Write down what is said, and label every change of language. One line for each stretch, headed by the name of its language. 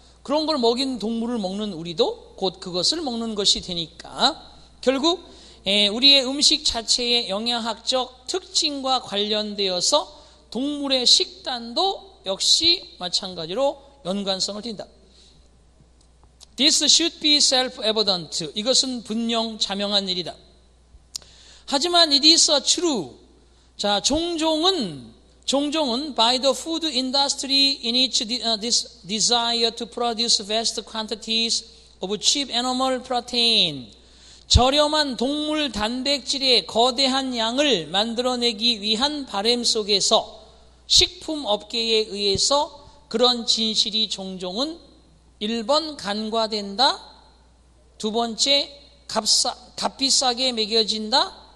Korean: 그런 걸 먹인 동물을 먹는 우리도 곧 그것을 먹는 것이 되니까 결국 우리의 음식 자체의 영양학적 특징과 관련되어서 동물의 식단도 역시 마찬가지로 연관성을 띈다.
English: This should be self-evident.
Korean: 이것은 분명 자명한 일이다. 하지만
English: it is a true.
Korean: 자, 종종은
English: by the food industry in its this desire to produce vast quantities of cheap animal protein.
Korean: 저렴한 동물 단백질의 거대한 양을 만들어내기 위한 바람 속에서 식품 업계에 의해서 그런 진실이 종종은 1번 간과된다. 두 번째 값비싸게 매겨진다.